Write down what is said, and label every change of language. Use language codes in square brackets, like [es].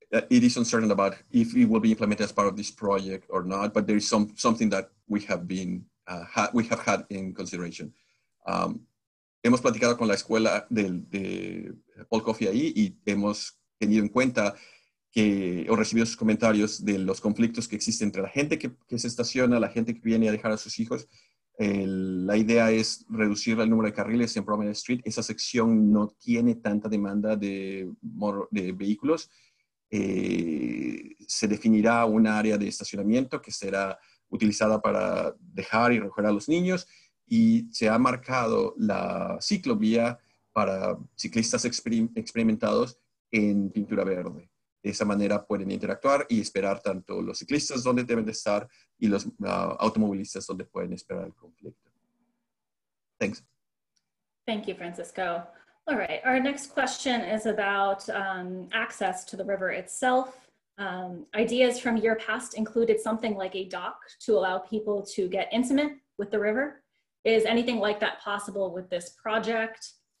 [en] It is uncertain about if it will be implemented as part of this project or not, but there is something that we have had in consideration. [es] Hemos platicado con la escuela de Paul Cuffey ahí y hemos tenido en cuenta que o recibido sus comentarios de los conflictos que existen entre la gente que se estaciona, la gente que viene a dejar a sus hijos. La idea es reducir el número de carriles en Promenade Street. Esa sección no tiene tanta demanda de vehículos. Se definirá un área de estacionamiento que será utilizada para dejar y recoger a los niños. Y se ha marcado la ciclovía para ciclistas experimentados en pintura verde. De esa manera pueden interactuar y esperar tanto los ciclistas donde deben de estar y los automovilistas donde pueden esperar el conflicto. [en] Thanks. Thank you, Francisco. All right, our next question is about access to the river itself. Ideas from year past included something like a dock to allow people to get intimate with the river. Is anything like that possible with this project?